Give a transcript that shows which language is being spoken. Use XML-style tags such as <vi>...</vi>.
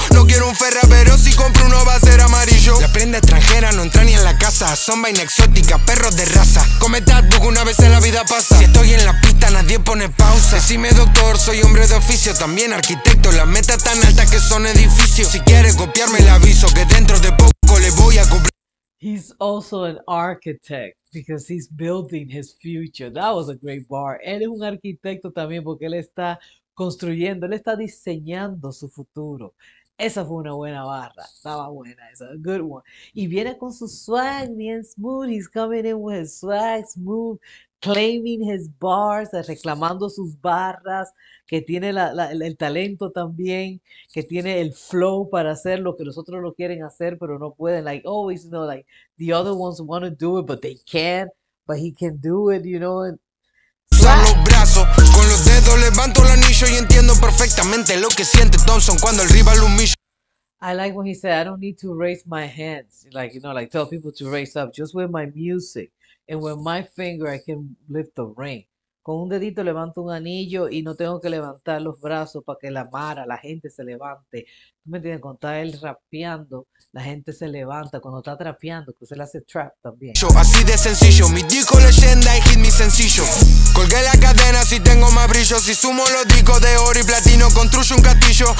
<es>No quiero un Ferrari, pero si compro uno va a ser amarillo. La prenda extranjera no entra ni en la casa, son vaina exótica, perros de raza. Cometa tú una vez en la vida pasa. Si estoy en la pista nadie pone pausa. Decime doctor, soy hombre de oficio, también arquitecto. La meta tan alta que son edificios. Si quieres copiarme le aviso que dentro de poco le voy a cumplir.</es> <en>He's also an architect because he's building his future. That was a great bar.</en> <es>Él es un arquitecto también porque él está construyendo, él está diseñando su futuro. Esa fue una buena barra. Estaba buena esa.</es> <en>Good one.</en> <es>Y viene con su swag, bien smooth.</es> <en>He's coming in with his swag, smooth, claiming his bars,</en> <es>reclamando sus barras, que tiene el talento también, que tiene el flow para hacer lo que los otros lo quieren hacer, pero no pueden.</es> <en>Like, always, you know, like, the other ones want to do it, but they can't. But he can do it, you know. And</en> <es>Usar</es> <en>swag.</en> <es>los brazos, con los dedos levanto el anillo y entiendo perfectamente lo que siente Thompson cuando el rival humilla.</es> <en>I like when he said, I don't need to raise my hands. Like, you know, like tell people to raise up just with my music. And with my finger, I can lift the ring.</en> <es>Con un dedito levanto un anillo y no tengo que levantar los brazos para que la mara, la gente se levante. ¿Tú me entiendes? Cuando está él rapeando, la gente se levanta. Cuando está trapeando, que se le hace trap también. Así de sencillo, mi disco leyenda y hit mi sencillo. Colgué la cadena si tengo más brillo, si sumo los discos de oro y platino, construyo un castillo.</es>